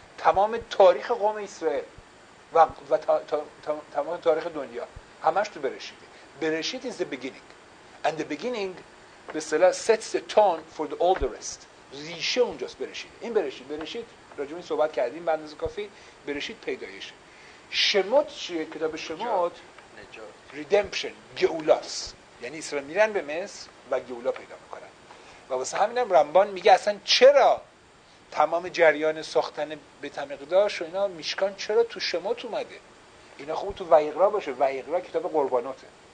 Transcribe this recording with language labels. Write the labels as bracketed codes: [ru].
[fa] تمام تاریخ قوم اسرائیل و تمام تاریخ دنیا همش تو برشیده. [en] برشید is the beginning and the beginning [fa] به اصطلاح [en] sets the tone for the all the rest. [fa] ریشه اونجاست برشیده. این برشید راجبه این صحبت کردیم به اندازه کافی. برشید پیدایشه. شموت چیه؟ کتاب شموت نجات، redemption، گئولاس، یعنی اسرائیل میرن به مصر و گئولا پیدا میکنن. و واسه همینم رمبان میگه اصلا چرا تمام جریان ساختن بیت المقدس و اینا میشکان چرا تو شموت اومده؟ اینا خوب تو ویقرا باشه، ویقرا کتاب قرباناته،